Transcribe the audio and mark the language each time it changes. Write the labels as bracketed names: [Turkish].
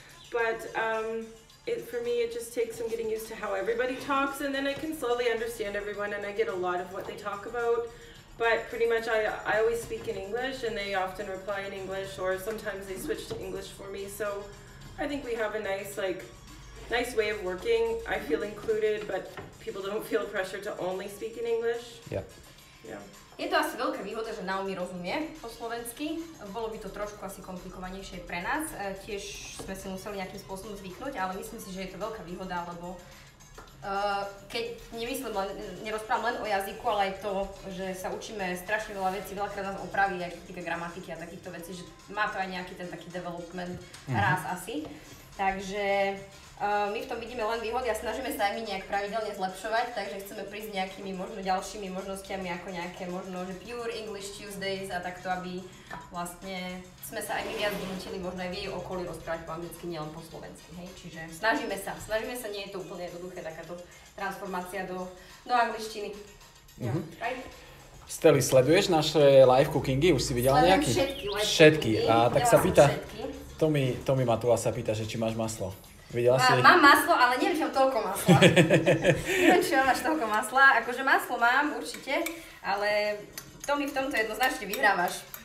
[English] But it just takes some getting used to how everybody talks, and then I can slowly understand everyone, and I get a lot of what they talk about. But pretty much, I always speak in English, and they often reply in English, or sometimes they switch to English for me. So I think we have a nice, like, nice way of working. I feel included, but people don't feel pressure to only speak in English. Yeah. Yeah. [Slovak] Je to asi veľká výhoda, že Naomi rozumie po slovensky. Bolo by to trošku asi komplikovanejšie pre nás. Tiež sme si museli nejakým spôsobom zvyknúť, ale myslím si, že je to veľká výhoda, lebo keď nemyslím len, nerozprávam len o jazyku, ale aj to, že sa učíme strašne veľa vecí, veľakrát nás opraví, aj týka gramatiky a takýchto vecí, že má to aj nejaký ten taký development raz asi. Takže my v tom vidíme len výhody a snažíme sa aj my nejak pravidelne zlepšovať, takže chceme prísť nejakými možno ďalšími možnosťami, ako nejaké možno, že Pure English Tuesdays a takto, aby vlastne sme sa aj my viac vnútili, možno aj v jej okolí rozprávať po anglicky, nielen po slovensky, hej? Čiže snažíme sa, nie je to úplne jednoduché takáto transformácia do angličtiny. Steli, sleduješ naše live cookingy? Už si videla nejaký? Všetky. A tak sa pýta, Tomi Matula sa pýta, že či máš maslo. Videla si? Mám maslo, ale neviem, či mám toľko masla. Neviem, či máš toľko masla. Akože maslo mám určite, ale Tomi v tomto jednoznačne vyhrávaš.